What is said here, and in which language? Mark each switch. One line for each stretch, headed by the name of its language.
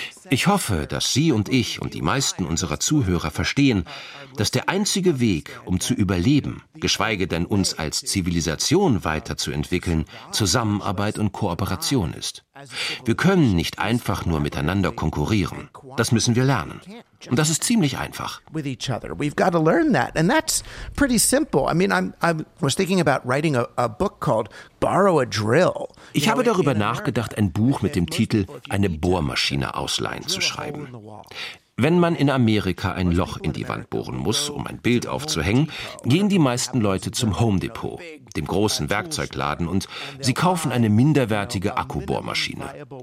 German: Ich hoffe, dass Sie und ich und die meisten unserer Zuhörer verstehen, dass der einzige Weg, um zu überleben, geschweige denn uns als Zivilisation weiterzuentwickeln, Zusammenarbeit und Kooperation ist. Wir können nicht einfach nur miteinander konkurrieren. Das müssen wir lernen. Und das ist ziemlich einfach.
English: We've got to learn that. And that's pretty simple. I mean, I was thinking about writing a book called Borrow a Drill.
German: Ich habe darüber nachgedacht, ein Buch mit dem Titel Eine Bohrmaschine ausleihen zu schreiben. Wenn man in Amerika ein Loch in die Wand bohren muss, um ein Bild aufzuhängen, gehen die meisten Leute zum Home Depot, dem großen Werkzeugladen, und sie kaufen eine minderwertige Akkubohrmaschine.